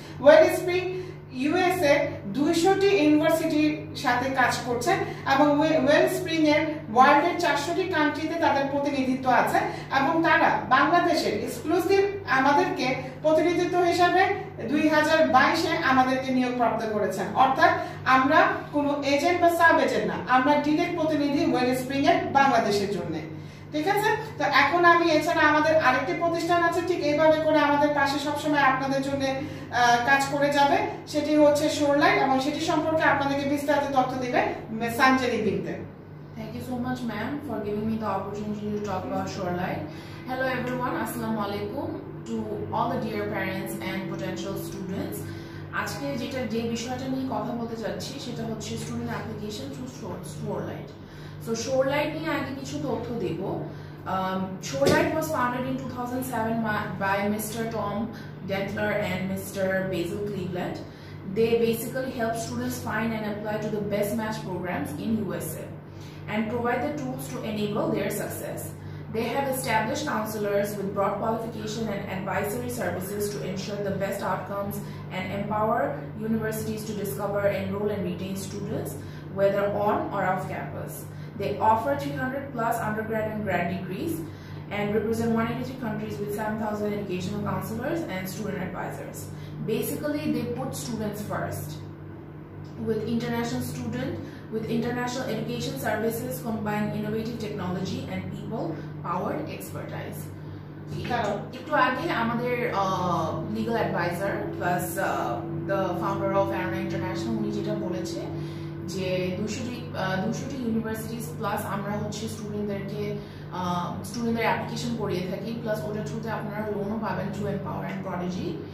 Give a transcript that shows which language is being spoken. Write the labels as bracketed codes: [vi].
[bn] ওয়েলস্প্রিং USA 200টি ইউনিভার্সিটির সাথে কাজ করছে এবং ওয়েলস্প্রিং এর ওয়ার্ল্ডের 400টি কান্ট্রিতে তাদের প্রতিনিধিত্ব আছে এবং তারা বাংলাদেশের এক্সক্লুসিভ আমাদেরকে প্রতিনিধিত্ব হিসাবে 2022 আমাদেরকে নিয়োগ প্রাপ্ত করেছেন, অর্থাৎ আমরা কোনো এজেন্ট বা সাব এজেন্ট না, আমরা ডিরেক্ট প্রতিনিধি ওয়েলস্প্রিং এর বাংলাদেশের জন্য। ঠিক আছে, তো এখন আমি এছাড়া আমাদের আরেকটি প্রতিষ্ঠান আছে ঠিক এইভাবে করে আমাদের পাশে সবসময় আপনাদের জন্য কাজ করে যাবে, সেটি হচ্ছে শোরলাইন এবং সেটি সম্পর্কে আপনাদেরকে বিস্তারিত তথ্য দিবে সাঞ্জলি বিন্দে। [en] Thank you so much ma'am for giving me the opportunity to talk about Shoreline. Hello everyone, assalamu alaikum to all the dear parents and potential students. [bn] আজকে যেটা যে বিষয়টা নিয়ে কথা বলতে যাচ্ছি সেটা হচ্ছে student application to shoreline. So shoreline নিয়ে আগে কিছু তথ্য দেব। [en] Shoreline was founded in 2007 by mister Tom Detler and mister Basil Cleveland. They basically help students find and apply to the best match programs in USA and provide the tools to enable their success. They have established counsellors with broad qualification and advisory services to ensure the best outcomes and empower universities to discover, enrol and retain students whether on or off campus. They offer 300 plus undergrad and grad degrees and represent 183 countries with 7,000 educational counselors and student advisors. Basically, they put students first. With international student, with international education services combine innovative technology and people-powered expertise. [bn] একটু আগে আমাদের [en] legal advisor plus the founder of Arona International [bn] উনি যেটা বলেছে যে 200টি universities plus আমরা হচ্ছে স্টুডেন্টদের অ্যাপ্লিকেশন করিয়ে থাকি প্লাস ওটার থ্রুতে আপনারা লোনও পাবেন থ্রু এম্পাওয়ার অ্যান্ড প্রডিজি।